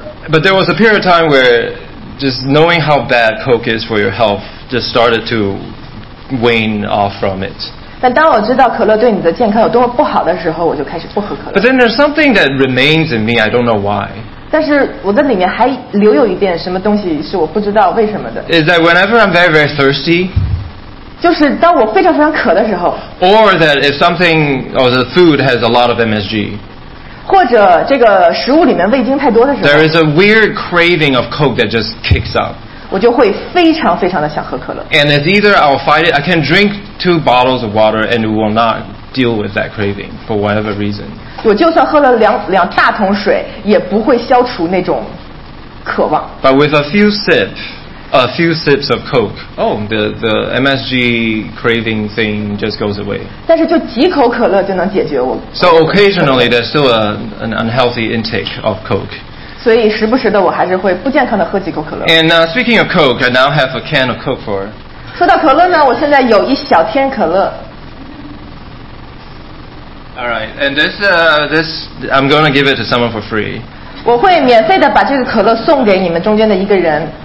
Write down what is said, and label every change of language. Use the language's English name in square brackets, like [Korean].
[English] But there was a period of time where just knowing how bad Coke is for your health just started to wane off from it. [Chinese] 但当我知道可乐对你的健康有多么不好的时候，我就开始不喝可乐。 [English] But then there's something that remains in me. I don't know why. [Chinese] 但是我的里面还留有一点什么东西是我不知道为什么的。 [English] Is that whenever I'm very very thirsty? [Chinese] 就是当我非常非常渴的时候。 [English] Or that if something or the food has a lot of MSG. [Chinese] 或者这个食物里面味精太多的时候。 [English] There is a weird craving of Coke that just kicks up. [Chinese] 我就会非常非常的想喝可乐。 [English] And it's either I'll fight it, I can drink two bottles of water and will not deal with that craving for whatever reason. [Chinese] 我就算喝了两大桶水，也不会消除那种渴望。 [English] But with a few sips of Coke, the MSG craving thing just goes away. [Chinese] 但是就几口可乐就能解决我。 [English] So occasionally, there's still an unhealthy intake of Coke. [Chinese] 所以时不时的我还是会不健康的喝几口可乐。 [English] And speaking of Coke, I now have a can of Coke for. [Chinese] 说到可乐呢，我现在有一小天可乐。 [English] All right, and this I'm going to give it to someone for free. [Chinese] 我会免费的把这个可乐送给你们中间的一个人。